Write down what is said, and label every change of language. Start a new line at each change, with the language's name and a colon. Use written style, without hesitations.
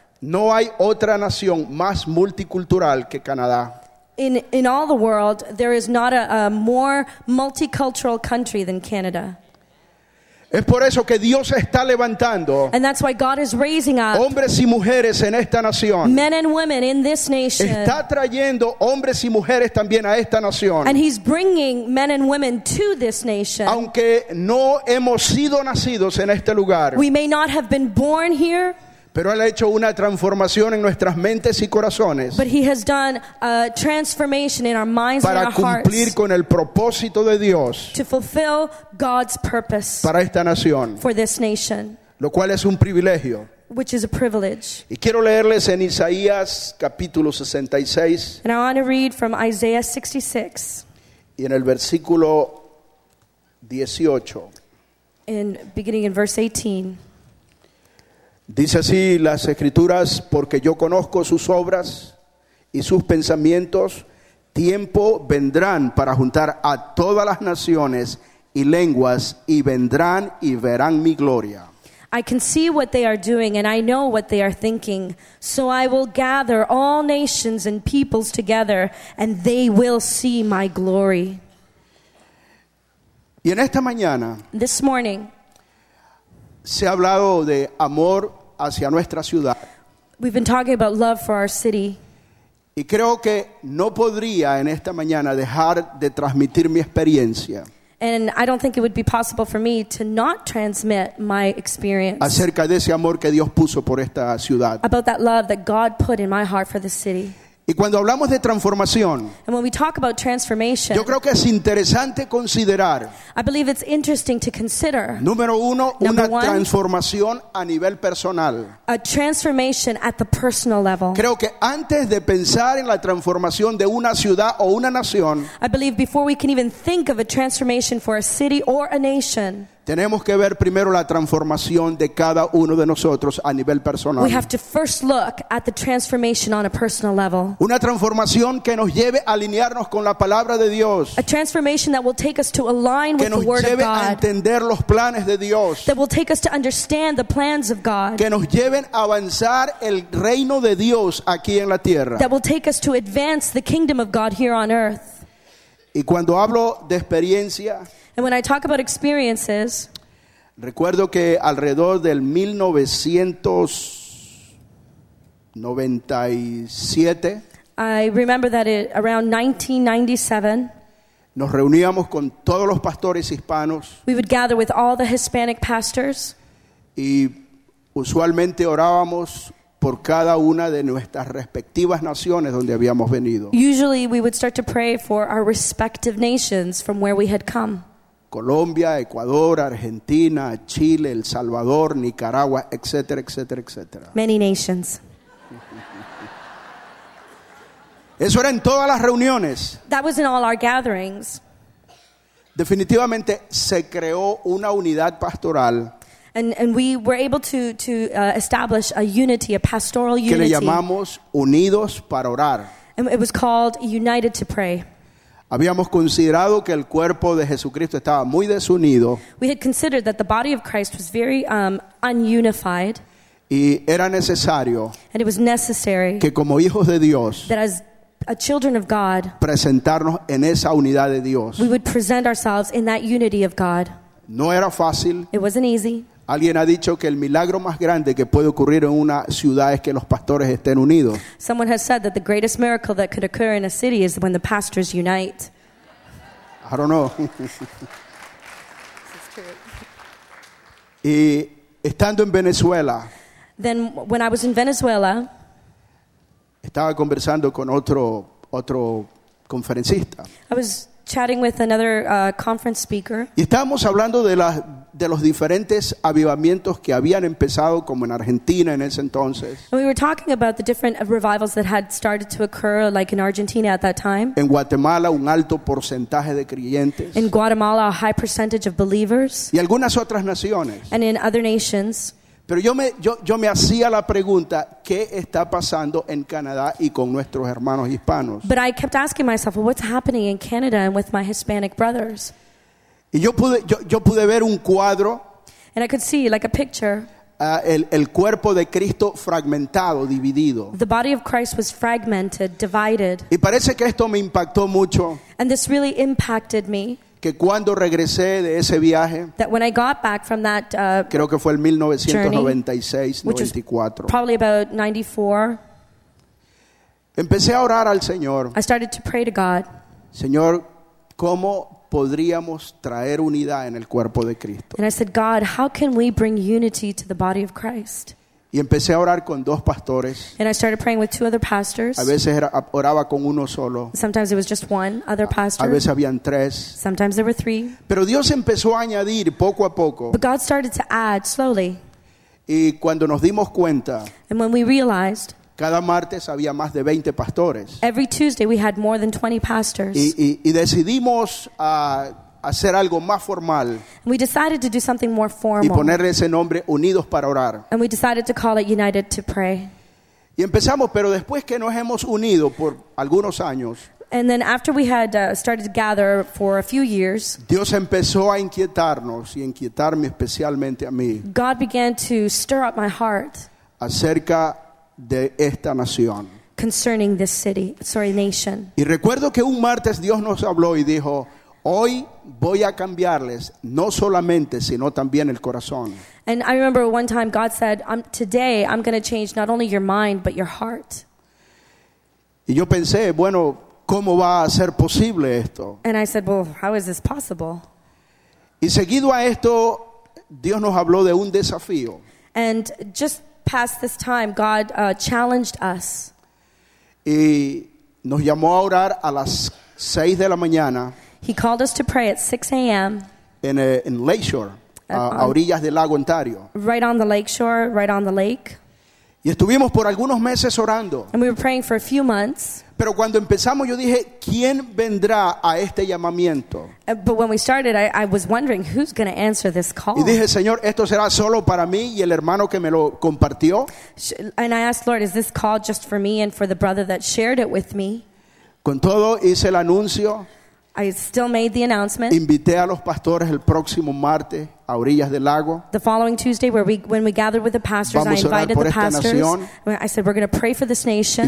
Spanish: No hay otra nación más multicultural que Canadá.
English: In all the world, there is not a more multicultural country than Canada.
Spanish: Es por eso que Dios está levantando.
English: And that's why God is raising up.
Spanish: Hombres y mujeres en esta nación.
English: Men and women in this nation.
Spanish: Está trayendo hombres y mujeres también a esta nación.
English: And he's bringing men and women to this nation.
Spanish: Aunque no hemos sido nacidos en este lugar.
English: We may not have been born here.
Spanish: Pero él ha hecho una transformación en nuestras mentes y corazones.
English: But he has done a transformation in our minds and our hearts.
Spanish: Para cumplir con el propósito de Dios.
English: To fulfill God's purpose.
Spanish: Para esta nación.
English: For this nation.
Spanish: Lo cual es un privilegio.
English: Which is a privilege.
Spanish: Y quiero leerles en Isaías capítulo 66.
English: And I want to read from Isaiah 66.
Spanish: Y en el versículo 18.
English: In beginning in verse 18.
Spanish: Dice así las escrituras, porque yo conozco sus obras y sus pensamientos, tiempo vendrán para juntar a todas las naciones y lenguas y vendrán y verán mi gloria.
English: I can see what they are doing and I know what they are thinking, so I will gather all nations and peoples together and they will see my glory.
Spanish: Y en esta mañana,
English: this morning,
Spanish: se ha hablado de amor hacia nuestra ciudad.
English: We've been talking about love for our city.
Spanish: Y creo que no podría en esta mañana dejar de transmitir mi experiencia.
English: And I don't think it would be possible for me to not transmit my experience.
Spanish: Acerca de ese amor que Dios puso por esta ciudad.
English: About that love that God put in my heart for the city.
Spanish: Y cuando hablamos de transformación,
English: and when we talk about transformation,
Spanish: yo creo que es interesante considerar,
English: I believe it's interesting to consider,
Spanish: número uno, una transformación a nivel personal.
English: A transformation at the personal level.
Spanish: Creo que antes de pensar en la transformación de una ciudad o una nación,
English: I believe before we can even think of a transformation for a city or a nation,
Spanish: tenemos que ver primero la transformación de cada uno de nosotros a nivel personal.
English: We have to first look at the transformation on a personal level.
Spanish: Una transformación que nos lleve a alinearnos con la palabra de Dios.
English: A transformation that will take us to align with the word of God.
Spanish: Que nos lleve a entender los planes de Dios.
English: That will take us to understand the plans of God.
Spanish: Que nos lleven a avanzar el reino de Dios aquí en la tierra.
English: That will take us to advance the kingdom of God here on earth.
Spanish: Y cuando hablo de experiencia,
English: and when I talk about experiences,
Spanish: recuerdo que alrededor del 1997,
English: I remember that it, around 1997,
Spanish: nos reuníamos con todos los pastores hispanos.
English: We would gather with all the Hispanic pastors.
Spanish: Y usualmente orábamos por cada una de nuestras respectivas naciones donde habíamos venido.
English: Usually we would start to pray for our respective nations from where we had come.
Spanish: Colombia, Ecuador, Argentina, Chile, El Salvador, Nicaragua, etcétera, etcétera, etcétera.
English: Many nations.
Spanish: Eso era en todas las reuniones.
English: That was in all our gatherings.
Spanish: Definitivamente se creó una unidad pastoral.
English: And we were able to establish a unity, a pastoral unity.
Spanish: Que le llamamos Unidos para Orar.
English: And it was called United to Pray.
Spanish: Habíamos considerado que el cuerpo de Jesucristo estaba muy desunido.
English: We had considered that the body of Christ was very ununified.
Spanish: Y era necesario.
English: And it was necessary.
Spanish: Que como hijos de Dios,
English: that as a children of God,
Spanish: presentarnos en esa unidad de Dios.
English: We would present ourselves in that unity of God.
Spanish: No era fácil.
English: It wasn't easy.
Spanish: Alguien ha dicho que el milagro más grande que puede ocurrir en una ciudad es que los pastores estén unidos.
English: Someone has said that the greatest miracle that could occur in a city is when the pastors unite. I don't know. This is true.
Spanish: Y estando en Venezuela,
English: then when I was in Venezuela,
Spanish: estaba conversando con otro conferencista.
English: I was chatting with another conference speaker.
Spanish: Y estábamos hablando de los diferentes avivamientos que habían empezado como en Argentina en ese entonces.
English: And we were talking about the different revivals that had started to occur like in Argentina at that time.
Spanish: En Guatemala un alto porcentaje de creyentes.
English: In Guatemala a high percentage of believers.
Spanish: Y algunas otras naciones.
English: And in other nations.
Spanish: Pero yo me hacía la pregunta, ¿qué está pasando en Canadá y con nuestros hermanos hispanos?
English: But I kept asking myself, well, what's happening in Canada and with my Hispanic brothers?
Spanish: Y yo pude ver un cuadro.
English: And I could see, like a picture.
Spanish: El cuerpo de Cristo fragmentado, dividido.
English: The body of Christ was fragmented, divided.
Spanish: Y parece que esto me impactó mucho.
English: And this really impacted me.
Spanish: Que cuando regresé de ese viaje,
English: that when I got back from that
Spanish: creo que fue el 1996-94,
English: probably about 94,
Spanish: empecé a orar al Señor.
English: I started to pray to God.
Spanish: Señor, ¿cómo podríamos traer unidad en el cuerpo de Cristo?
English: And I said, God, how can we bring unity to the body of Christ?
Spanish: Y empecé a orar con dos pastores.
English: And I started praying with two other pastors.
Spanish: A veces oraba con uno solo.
English: Sometimes it was just one other pastor.
Spanish: A veces habían tres.
English: Sometimes there were three.
Spanish: Pero Dios empezó a añadir poco a poco.
English: But God started to add slowly.
Spanish: Y cuando nos dimos cuenta,
English: and when we realized,
Spanish: cada martes había más de 20 pastores.
English: Every Tuesday we had more than 20 pastors.
Spanish: Y decidimos hacer algo más formal.
English: And we decided to do something more formal.
Spanish: Y ponerle ese nombre, Unidos para Orar.
English: And we decided to call it United to Pray.
Spanish: Y empezamos, pero después que nos hemos unido por algunos años,
English: and then after we had started to gather for a few years,
Spanish: Dios empezó a inquietarnos y inquietarme especialmente a mí.
English: God began to stir up my heart.
Spanish: Acerca de esta nación.
English: Concerning this city, sorry, nation.
Spanish: Y recuerdo que un martes Dios nos habló y dijo, hoy voy a cambiarles no solamente sino también el corazón.
English: And I remember one time God said, today I'm going to change not only your mind but your heart.
Spanish: Y yo pensé, bueno, ¿cómo va a ser posible esto?
English: And I said, well, how is this possible?
Spanish: Y seguido a esto, Dios nos habló de un desafío.
English: And just past this time, God challenged us.
Spanish: Y nos llamó a orar a las 6 de la mañana.
English: He called us to pray at 6 a.m.
Spanish: In Lakeshore, a orillas del lago Ontario.
English: Right on the lakeshore, right on the lake.
Spanish: Y estuvimos por algunos meses orando.
English: And we were praying for a few months.
Spanish: Pero cuando empezamos, yo dije, ¿quién vendrá a este llamamiento?
English: But when we started, I was wondering, who's going to answer this call?
Spanish: Y dije, Señor, ¿esto será solo para mí y el hermano que me lo compartió?
English: And I asked, Lord, is this call just for me and for the brother that shared it with me?
Spanish: Con todo, hice el anuncio.
English: I still made the announcement.
Spanish: Invité a los pastores el próximo martes a orillas del lago.
English: The following Tuesday, when we gathered with the pastors,
Spanish: vamos
English: I invited
Spanish: por
English: the
Spanish: esta
English: pastors.
Spanish: Nación.
English: I said, we're going to pray for this nation.